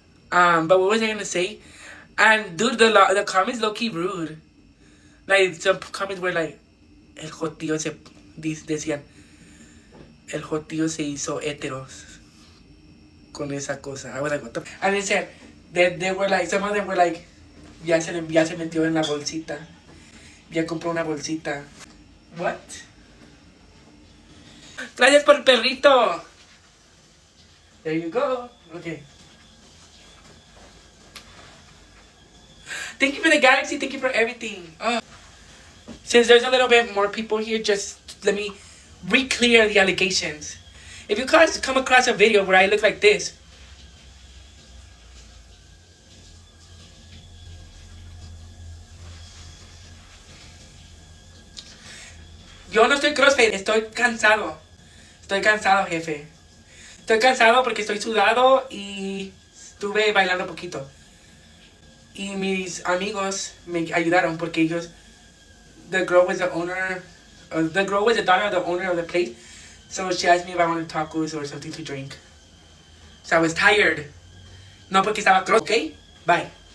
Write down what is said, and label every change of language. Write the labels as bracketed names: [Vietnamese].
[English] But what was I gonna say? And dude, the comments low-key rude. Like, some comments were like, [Spanish] el jotío se decían. El jotío se hizo heteros con esa cosa. [English] I was like, what the? And they said, they were like, some of them were like, [Spanish] ya se metió en la bolsita. Ya compró una bolsita. [English] What? [Spanish] Gracias por el perrito. [English] There you go. Okay. Thank you for the galaxy. Thank you for everything. Since there's a little bit more people here, just let me re-clear the allegations. If you guys come across a video where I look like this. [Spanish] Yo no estoy crossfit, estoy cansado. Estoy cansado, jefe. Estoy cansado porque estoy sudado y estuve bailando un poquito. Y mis amigos me ayudaron porque ellos... [English] The girl was the daughter of the owner of the place. So she asked me if I wanted tacos or something to drink. So I was tired. [Spanish] No porque estaba cross. [English] Okay, bye.